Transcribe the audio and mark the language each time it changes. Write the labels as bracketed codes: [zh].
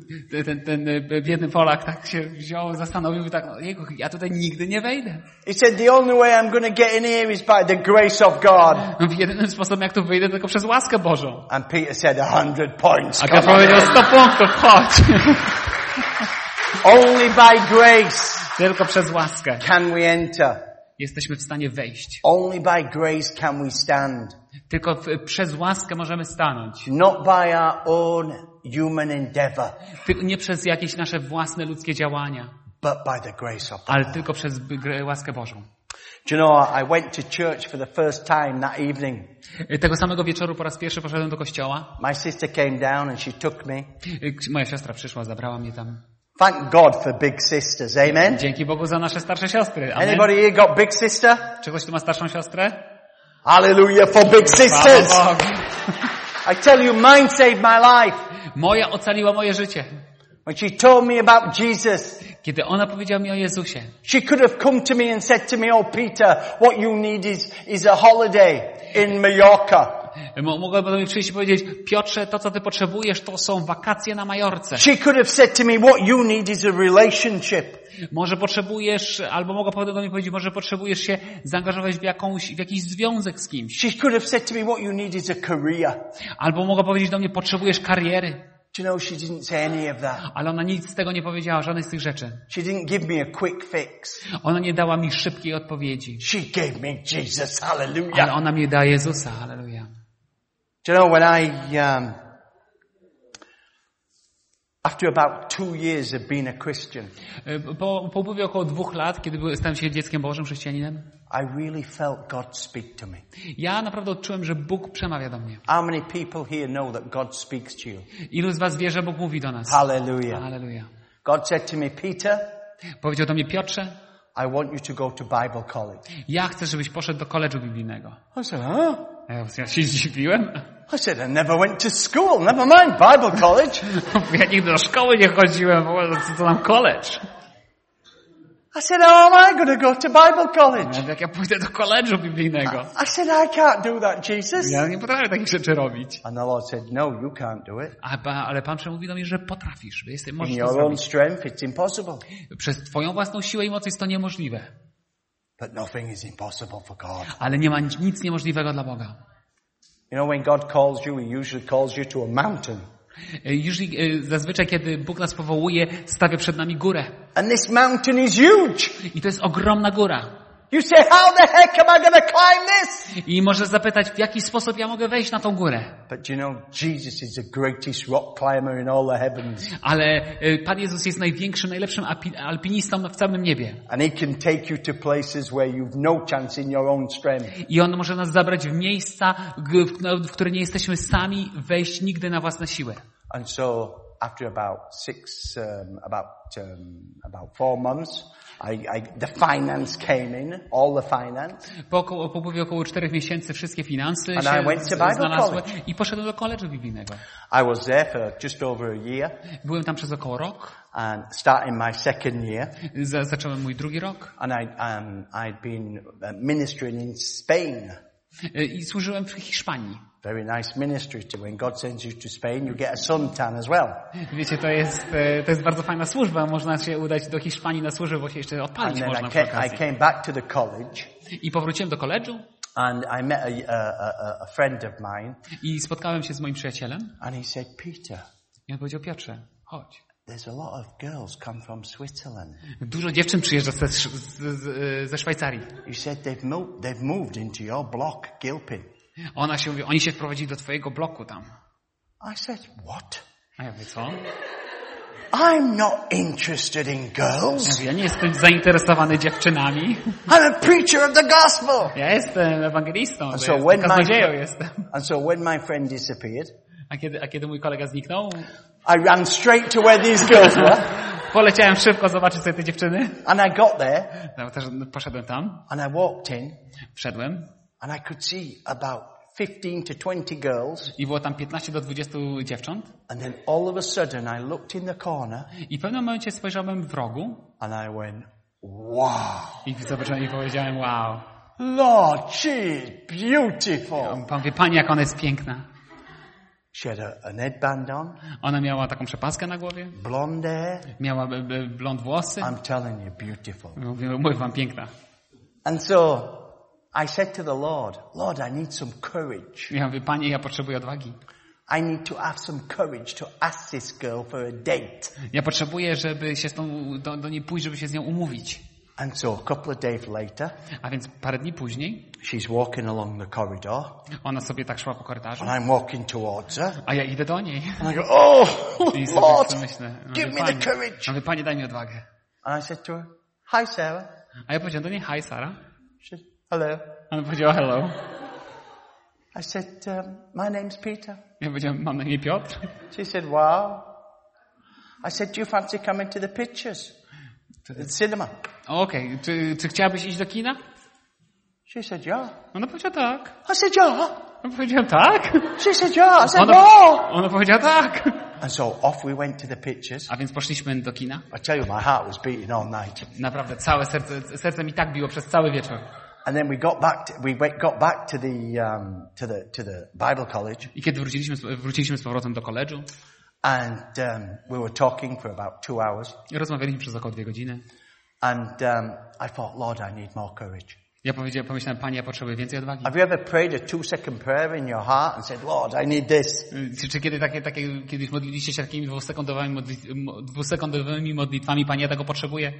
[pl] Ten biedny Polak tak się wziął, zastanowił i tak, jego, ja tutaj nigdy nie wejdę. [en] He said, "The only way I'm gonna get in here is by the grace of God." [pl] Jedynym sposobem, jak tu wyjdę, tylko przez łaskę Bożą. [en] And Peter said, 100 points. [pl] A Piotr powiedział, 100 punktów, chodź. [en] Only by grace. [pl] Tylko przez łaskę. [en] Can we enter? [pl] Jesteśmy w stanie wejść. [en] Only by grace can we stand. [pl] Tylko przez łaskę możemy stanąć. [en] Not by our own human endeavor. [pl] Tylko nie przez jakieś nasze własne ludzkie działania. [en] But by the grace of God. [pl] Ale tylko przez łaskę Bożą. [en] Do you know, I went to church for the first time that evening. [pl] Tego samego wieczoru po raz pierwszy poszedłem do kościoła. [en] My sister came down and she took me. [pl] Moja siostra przyszła, zabrała mnie tam. [en] Thank God for big sisters. Amen. [pl] Dzięki Bogu za nasze starsze siostry. Amen. [en] Anybody here got big sister? [pl] Czy ktoś tu ma starszą siostrę? [en] Hallelujah for big sisters. I tell you, mine saved my life. [pl] Moja ocaliła moje życie. [en] When she told me about Jesus. [pl] Kiedy ona powiedziała mi o Jezusie. [en] She could have come to me and said to me, "Oh Peter, what you need is a holiday in Mallorca." [pl] Mogłaby do mnie przyjść i powiedzieć: Piotrze, to co ty potrzebujesz, to są wakacje na Majorce. [en] She could have said to me, "What you need is a relationship." [pl] Może potrzebujesz, albo mogła do mnie powiedzieć, może potrzebujesz się zaangażować w jakiś związek z kimś. [en] She could have said to me, "What you need is a career." [pl] Albo mogła powiedzieć do mnie, potrzebujesz kariery. [en] Do you know, she didn't say any of that. [pl] Ale ona nic z tego nie powiedziała, żadnej z tych rzeczy. [en] She didn't give me a quick fix. [pl] Ona nie dała mi szybkiej odpowiedzi. [en] She gave me Jesus, hallelujah. [pl] Ale ona mi dała Jezusa, hallelujah. [en] Do you know, when I after about 2 years of being a Christian, [pl] po upływie około 2 lat, kiedy stałem się dzieckiem Bożym, chrześcijaninem, [en] I really felt God speak to me. [pl] Ja naprawdę odczułem, że Bóg przemawia do mnie. [en] How many people here know that God speaks to you? [pl] Ilu z was wie, że Bóg mówi do nas? [en] Hallelujah. [pl] Hallelujah. [en] God said to me, Peter. [pl] Powiedział do mnie, Piotrze. [en] I want you to go to Bible college. [pl] Ja chcę, żebyś poszedł do koledżu biblijnego. [en] I said, [pl] Ja się zdziwiłem. [en] I said I never went to school. Never mind Bible college. [pl] Ja nigdy do szkoły nie chodziłem, bo co to nam college? [en] I said, how am I going to go to Bible college? [pl] Jak ja pójdę do koledżu biblijnego? [en] I said, I can't do that, Jesus. [pl] Ja nie potrafię takich rzeczy robić. [en] And the Lord said, no, you can't do it. [pl] Ale Pan przemówił do mnie, że potrafisz, że jesteś możesz to zrobić. [en] In your own strength, it's impossible. [pl] Przez twoją własną siłę i moc jest to niemożliwe. [en] But nothing is impossible for God. [pl] Ale nie ma nic niemożliwego dla Boga. [en] You know, when God calls you, He usually calls you to a mountain. Usually, [pl] zazwyczaj, kiedy Bóg nas powołuje, stawia przed nami górę. [en] And this mountain is huge. [pl] I to jest ogromna góra. [en] You say, how the heck am I gonna climb this? [pl] I możesz zapytać, w jaki sposób ja mogę wejść na tą górę. [en] But you know, Jesus is the greatest rock climber in all the heavens. [pl] Ale Pan Jezus jest największym, najlepszym alpinistą w całym niebie. [en] And he can take you to places where you've no chance in your own strength. [pl] I on może nas zabrać w miejsca, w które nie jesteśmy sami wejść nigdy na własne siły. [en] And so after about 4 months, the finance came in, all the finance. [pl] Po upływie około 4 miesięcy wszystkie finanse [en] and [pl] się [en] I went to Bible [pl] znalazły [en] college. [pl] I poszedłem do koledżu biblijnego. [en] I was there for just over a year. [pl] Byłem tam przez około rok. [en] And starting my second year. [pl] Zacząłem mój drugi rok. [en] And I'd been ministering in Spain. [pl] I służyłem w Hiszpanii. [en] Very nice ministry too. When God sends you to Spain, you get a suntan as well. [pl] Wiecie, to jest bardzo fajna służba. Można się udać do Hiszpanii na służbę, bo się jeszcze odpalić [en] and [pl] można. [en] And then I came back to the college. [pl] I powróciłem do koledżu. [en] And I met a friend of mine. [pl] I spotkałem się z moim przyjacielem. [en] And he said, Peter. [pl] I on powiedział, Piotrze, chodź. [en] There's a lot of girls come from Switzerland. [pl] Dużo dziewczyn przyjeżdża ze Szwajcarii. [en] He said they've moved into your block, Gilpin. [pl] Ona się mówi, oni się wprowadzili do twojego bloku tam. [en] I said, what? [pl] A ja mówię, co? [en] I'm not interested in girls. [pl] Ja nie jestem zainteresowany dziewczynami. [en] I'm a preacher of the gospel. [pl] Ja jestem ewangelistą, jestem kaznodzieją. [en] And so when my friend disappeared, [pl] a kiedy mój kolega zniknął, [en] I ran straight to where these girls were. [pl] Poleciałem szybko zobaczyć sobie te dziewczyny. [en] And I got there. [pl] Poszedłem tam. [en] And I walked in. [pl] Wszedłem. [en] And I could see about 15 to 20 girls. [pl] I było tam 15 do 20 dziewcząt. [en] And then all of a sudden I looked in the corner. [pl] I w pewnym momencie spojrzałem w rogu. [en] And I went, wow. [pl] I zobaczyłem i powiedziałem, wow. [en] Lord, she's beautiful. [pl] Pan wie, Pani, jak ona jest piękna. [en] She had a headband on. [pl] Ona miała taką przepaskę na głowie. [en] Blonde hair. [pl] Miała blond włosy. [en] I'm telling you, beautiful. [pl] Mówię wam, piękna. [en] And so I said to the Lord, Lord, I need some courage. [pl] Ja mówię, Panie, ja potrzebuję odwagi. [en] I need to have some courage to ask this girl for a date. [pl] Ja potrzebuję, żeby się z tą do niej pójść, żeby się z nią umówić. [en] And so a couple of days later. [pl] A więc parę dni później. [en] She's walking along the corridor. [pl] Ona sobie tak szła po korytarzu. [en] And I'm walking towards her. [pl] A ja idę do niej. [en] And I go, oh, Lord, give me the courage. [pl] Ja mówię, Panie, daj mi odwagę. [en] And I said to her, hi, Sarah. [pl] A ja powiedziałem do niej, hi, Sarah. [en] Hello. [pl] Ona powiedziała hello. [en] I said, my name's Peter. [pl] Ja powiedziałem, mam na imię Piotr. [en] She said, wow. I said, do you fancy coming to the pictures? The cinema. Okay. [pl] Czy chciałabyś iść do kina? [en] She said, yeah. [pl] Ona powiedziała tak. [en] I said, yeah. [pl] Ona powiedziała tak. [en] She said, yeah. I said, no. [pl] Ona powiedziała tak. [en] And so off we went to the pictures. [pl] A więc poszliśmy do kina. [en] I tell you, my heart was beating all night. [pl] Naprawdę, całe serce mi tak biło przez cały wieczór. [en] And then we got back to the Bible college. [pl] I kiedy wróciliśmy z powrotem do koledżu. [en] And we were talking for about 2 hours. [pl] I rozmawialiśmy przez około 2 godziny. [en] And I thought, Lord, I need more courage. [pl] Ja pomyślałem, Panie, ja potrzebuję więcej odwagi. [en] Have you ever prayed a 2 second prayer in your heart and said, Lord, I need this? [pl] Czy kiedy takie kiedyś modliliście się takimi dwusekundowymi modlitwami, Panie, ja tego potrzebuję?